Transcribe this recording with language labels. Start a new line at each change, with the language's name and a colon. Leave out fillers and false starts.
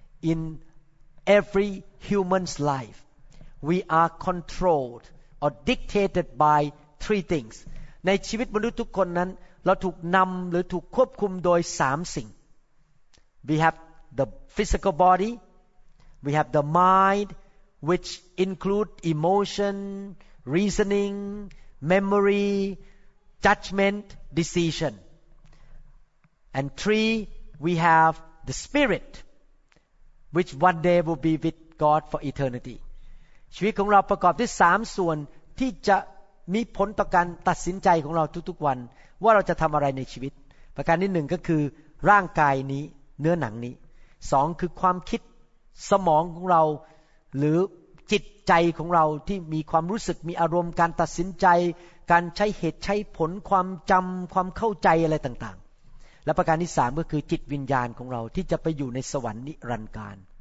English: In every human's life we are controlled or dictated by three things
Thai: ในชีวิตมนุษย์ทุกคนนั้นเราถูกนำหรือถูกควบคุมโดย3สิ่ง
English: We have the physical body we have the mindwhich include emotion, reasoning, memory, judgment, decision. And three, we have the spirit, which one day will be with God for eternity.
Thai: ชีวิตของเราประกอบด้วย3ส่วนที่จะมีผลต่อการตัดสินใจของเราทุกๆวันว่าเราจะทำอะไรในชีวิตประการที่1ก็คือร่างกายนี้เนื้อหนังนี้2คือความคิดสมองของเรา หรือจิตใจของเราที่มีความรู้สึกมีอารมณ์การตัดสินใจการใช้เหตุใช้ผลความจำความเข้าใจอะไรต่างๆและประการที่สามก็คือจิตวิญญาณของเราที่จะไปอยู่ในสวรรค์นิรันดร์กาล